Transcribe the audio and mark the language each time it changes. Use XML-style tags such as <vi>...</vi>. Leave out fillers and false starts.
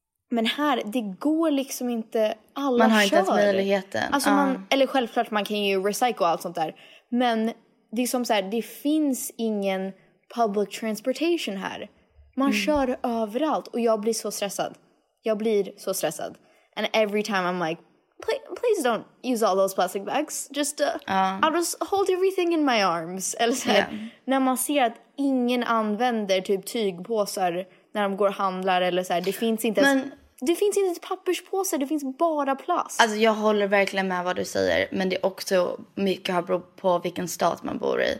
<sv>Men här, det går liksom inte, alla kör. Man har kör. Inte möjligheten. Alltså man, eller självklart, man kan ju recycle och allt sånt där. Men det är som så här, det finns ingen public transportation här. Man kör överallt och jag blir så stressad. Jag blir så stressad.</sv> <en>And every time I'm like, please don't use all those plastic bags. Just I'll just hold everything in my arms.</en> <sv>Eller så här, när man ser att ingen använder typ tygpåsar när de går och handlar eller så här, det finns inte men, det finns inte papperspåsar, det finns bara plast. Alltså jag håller verkligen med vad du säger, men det är också mycket har beror på vilken stat man bor i.</sv>